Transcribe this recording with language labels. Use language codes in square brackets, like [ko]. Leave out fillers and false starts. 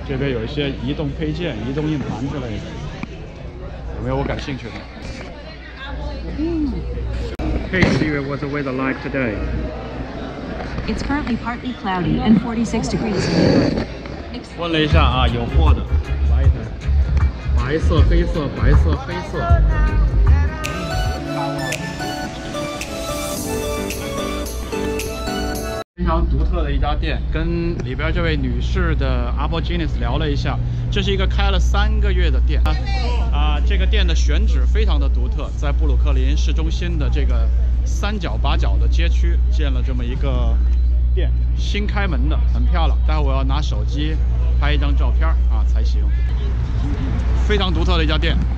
[zh] 这边有一些移动配件、移动硬盘之类的，有没有我感兴趣的？ [en] Hey Siri, what's the weather like today? It's currently partly cloudy and 46 degrees in [zh] New York. 问了一下啊，有货的，白色、白色、黑色、白色、黑色。非常独特的一家店，跟里边这位女士的 Apple Genius 聊了一下，这是一个开了3个月的店啊，这个店的选址非常的独特，在布鲁克林市中心的这个三角八角的街区建了这么一个店，新开门的，很漂亮，待会我要拿手机拍一张照片啊才行，非常独特的一家店。